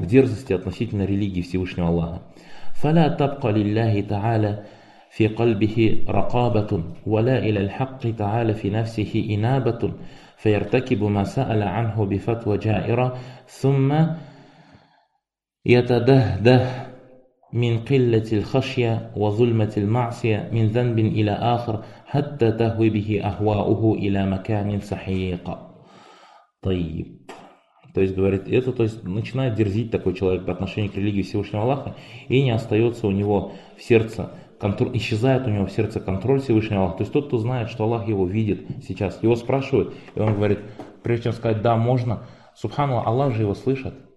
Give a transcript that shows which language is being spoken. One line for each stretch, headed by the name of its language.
Russian: К дерзости относительно религии Всевышнего Аллаха.
Arabic: «Фаля табка лилляхи та'аля фи кальбихи ракабатун, валя иля льхакки та'аля фи нафсихи инабатун, фаяртакибу ма са'аля анху би фатва джаира, сумма ятадахдах». من قلة الخشية وظلمة المعصية من ذنب إلى آخر حتى تهوي به أهواؤه إلى مكان سحيق. طيب.
Russian: То есть говорит, это то есть начинает дерзить такой человек по отношению к религии Всевышнего Аллаха, и не остается у него в сердце контроль, исчезает у него в сердце контроль Всевышнего Аллаха. То есть тот, кто знает, что Аллах его видит сейчас, его спрашивают, и он говорит, прежде чем сказать «да, можно», Субханаллах, Аллах же его слышит.